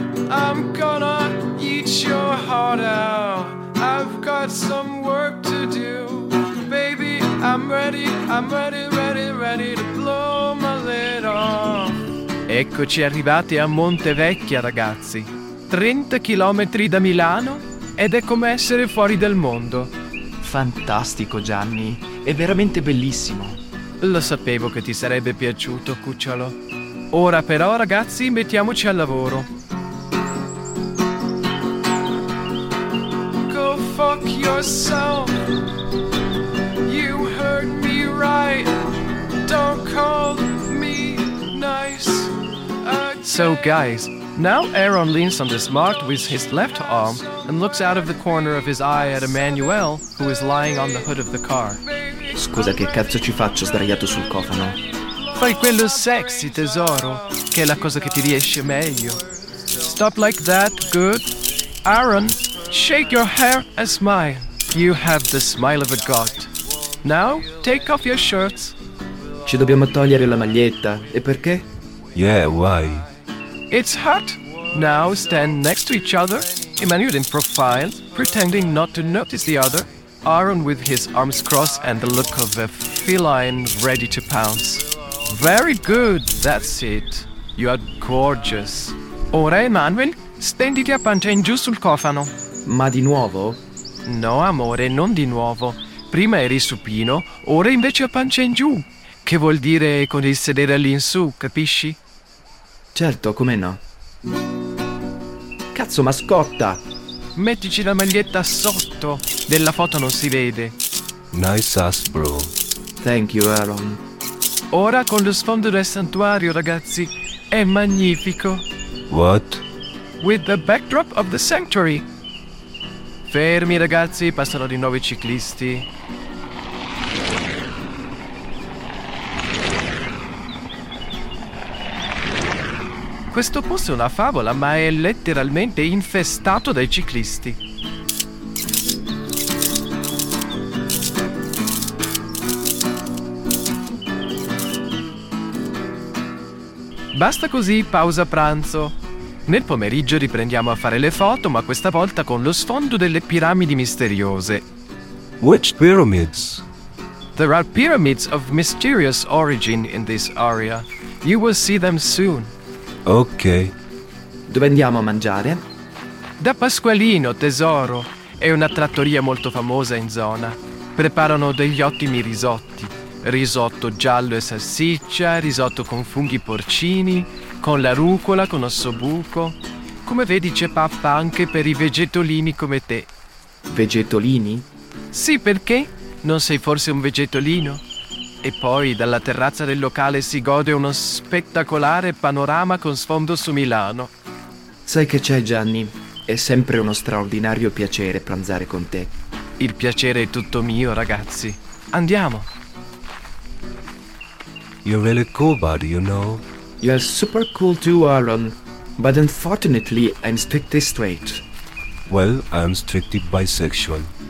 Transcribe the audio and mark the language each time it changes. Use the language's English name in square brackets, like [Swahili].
[English] I'm gonna eat your heart out. I've got some work to do. Baby, I'm ready, I'm ready, ready, ready to blow my lid off. [Italian] Eccoci arrivati a Montevecchia, ragazzi. 30 chilometri da Milano? Ed è come essere fuori dal mondo. Fantastico, Gianni. È veramente bellissimo. Lo sapevo che ti sarebbe piaciuto, cucciolo. Ora però, ragazzi, mettiamoci al lavoro. [English] Go fuck yourself. You heard me right. Don't call me nice again. So, guys, now Aaron leans on the smart with his left arm and looks out of the corner of his eye at Emmanuel, who is lying on the hood of the car. [Italian] Scusa, che cazzo ci faccio sdraiato sul cofano? Fai quello sexy, tesoro, che è la cosa che ti riesce meglio. [English] Stop like that, good. Aaron, shake your hair and smile. You have the smile of a god. Now, take off your shirts. [Italian] Ci dobbiamo togliere la maglietta, e perché? [English] Yeah, why? It's hot. Now stand next to each other. Emmanuel in profile, pretending not to notice the other. Aaron with his arms crossed and the look of a feline ready to pounce. Very good, that's it. You are gorgeous. [Italian] Ora, Emmanuel, stenditi a pancia in giù sul cofano. Ma di nuovo? No, amore, non di nuovo. Prima eri supino, ora invece a pancia in giù. Che vuol dire con il sedere all'insù, capisci? Certo, come no. Cazzo, mascotta! Mettici la maglietta sotto. Della foto non si vede. [English] Nice ass, bro. Thank you, Aaron. [Italian] Ora con lo sfondo del santuario, ragazzi. È magnifico. [English] What? With the backdrop of the sanctuary. [Italian] Fermi, ragazzi. Passano di nuovo i ciclisti. Questo posto è una favola, ma è letteralmente infestato dai ciclisti. Basta così, pausa pranzo. Nel pomeriggio riprendiamo a fare le foto, ma questa volta con lo sfondo delle piramidi misteriose. [English] Which pyramids? There are pyramids of mysterious origin in this area. You will see them soon. Ok. [Italian] Dove andiamo a mangiare? Da Pasqualino, tesoro. È una trattoria molto famosa in zona. Preparano degli ottimi risotti. Risotto giallo e salsiccia, risotto con funghi porcini, con la rucola, con ossobuco. Come vedi, c'è pappa anche per i vegetolini come te. Vegetolini? Sì, perché? Non sei forse un vegetolino? E poi dalla terrazza del locale si gode uno spettacolare panorama con sfondo su Milano. Sai che c'è, Gianni? È sempre uno straordinario piacere pranzare con te. Il piacere è tutto mio, ragazzi. Andiamo. [English] You're really cool, buddy, you know. You're super cool too, Aaron. But unfortunately, I'm strictly straight. Well, I'm strictly bisexual.